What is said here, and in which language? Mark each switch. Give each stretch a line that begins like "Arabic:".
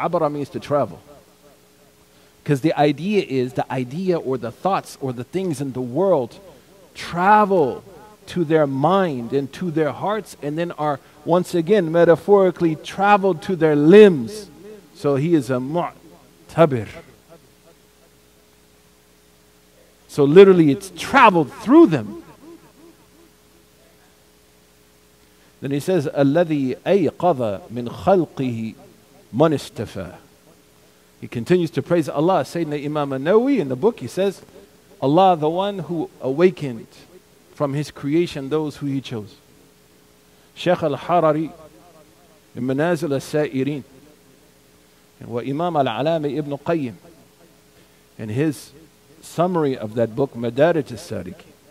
English: Abara means to travel. Because the idea is, the idea or the thoughts or the things in the world travel to their mind and to their hearts and then are, once again, metaphorically traveled to their limbs. So he is a mu'tabir. So literally it's traveled through them.
Arabic: Then he says, الَّذِي أَيْقَظَ مِنْ خَلْقِهِ مَنْ اسْتَفَى.
English: He continues to praise Allah. Sayyidina Imam Nawawi in the book, he says, Allah, the one who awakened from his creation those who he chose. Shaykh al-Harari in Manazil al-Sa'irin. And what Imam al-Alami ibn Qayyim in his summary of that book, Madarij al-Sariqi.